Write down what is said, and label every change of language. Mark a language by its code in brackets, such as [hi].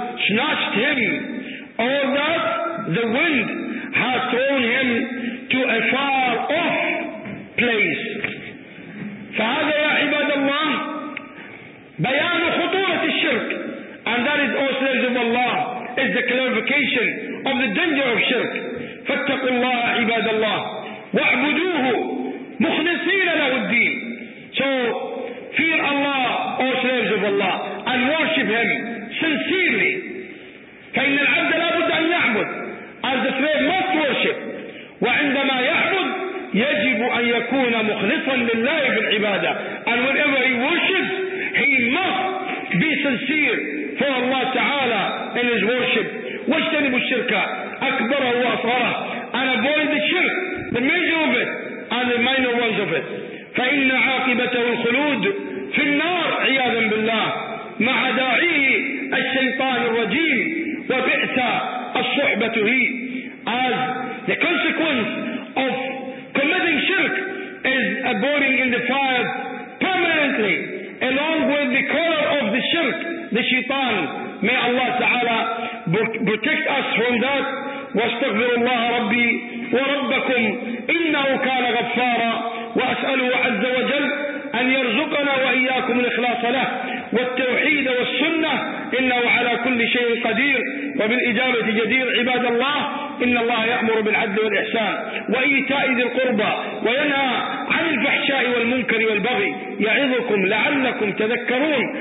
[en] snatched him, or that the wind has thrown him to a far off place. [ar] فهذا يا عباد الله بيان خطورة الشرك. [en] And that is all slaves of Allah, is the clarification of the danger of shirk. [ar] فاتقوا الله عباد الله واعبدوه مخلصين له الدين. [en] So fear Allah, all slaves of Allah, and worship Him sincerely. [ar] فإن العبد لابد أن يعبد. [en] As the slave must worship. [ar] وعندما يعبد يجب أن يكون مخلصا لله بالعبادة. [en] And whenever he worships, he must be sincere for Allah Ta'ala in his worship. [ar] واجتنبوا الشرك أكبر وأصغر. [en] And avoid the shirk, the major of it and the minor ones of it. [ar] فإن عاقبته الخلود في النار عياذا بالله مع داعيه الشيطان الرجيم وبئس الصحبة هي. [en] As the consequence of committing shirk is a boiling in the fire permanently, along with the color of the shirk, the shaitan. May Allah Ta'ala protect us from that. [ar] واستغفر الله ربي وربكم إنه كان غفارا وأسأله عز وجل أن يرزقنا وإياكم الإخلاص له والتوحيد والسنة إنه على كل شيء قدير. وبالإجابة جدير عباد الله, إن الله يأمر بالعدل والإحسان وإيتاء ذي القربى وينهى عن الفحشاء والمنكر والبغي يعظكم لعلكم تذكرون.